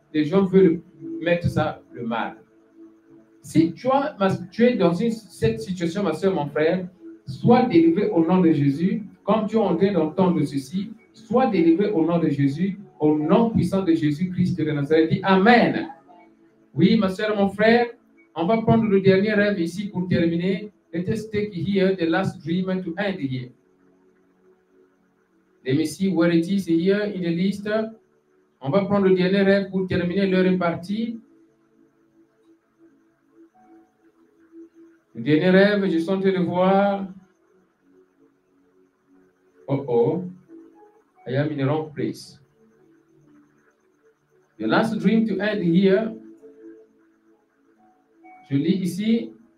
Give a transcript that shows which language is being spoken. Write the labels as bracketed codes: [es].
[fr] Les gens veulent mettre ça, le mal. Si tu es dans cette situation, ma sœur, mon frère, sois délivré au nom de Jésus, comme tu es en train d'entendre ceci, sois délivré au nom de Jésus, au nom puissant de Jésus-Christ de Nazareth. Dis amen. Oui, ma soeur, mon frère, on va prendre le dernier rêve ici pour terminer. [en] Let us take here the last dream to end here. Let me see where it is here in the list. [fr] On va prendre le dernier rêve pour terminer l'heure impartie. Le dernier rêve, je suis en train de voir. [en] Oh oh, I am in the wrong place. The last dream to end here. [fr] Je lis ici.